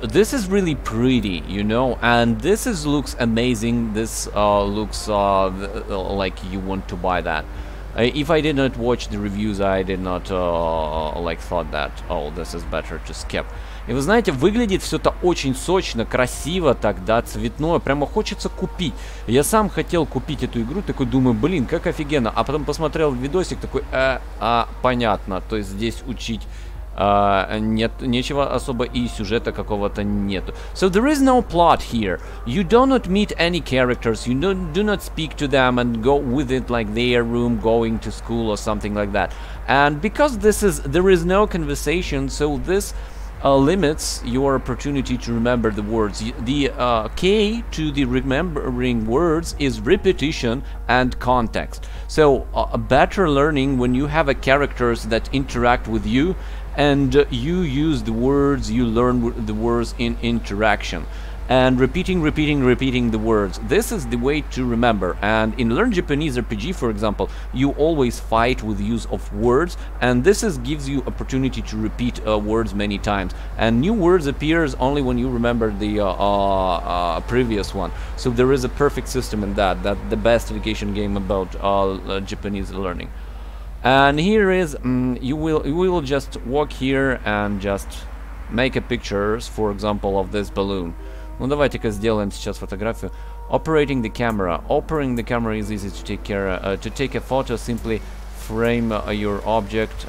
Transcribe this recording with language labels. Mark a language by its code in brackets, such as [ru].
[en] This is really pretty, you know, and this is looks amazing. This looks like you want to buy that. If I did not watch the reviews, I did not like thought that, oh, this is better to skip. [ru] И вы знаете, выглядит все это очень сочно, красиво так, да, цветное, прямо хочется купить. Я сам хотел купить эту игру, такой думаю, блин, как офигенно. А потом посмотрел видосик, такой, понятно, то есть здесь учить нет, нечего особо и сюжета какого-то нету. [en] So there is no plot here. You do not meet any characters. You do not speak to them and go with it like their room, going to school or something like that. And because this is, there is no conversation, so this limits your opportunity to remember the words. The key to the remembering words is repetition and context. So a better learning when you have a characters that interact with you. And you use the words, you learn the words in interaction. and repeating the words. This is the way to remember. And in Learn Japanese RPG, for example, you always fight with use of words, and this is gives you opportunity to repeat words many times. And new words appears only when you remember the previous one. So there is a perfect system in that, that the best education game about Japanese learning. And here is, you will just walk here and just make a pictures, for example, of this balloon. [ru] Ну давайте-ка сделаем сейчас фотографию. [en] Operating the camera. Operating the camera is easy to take care of. To take a photo, simply frame your object.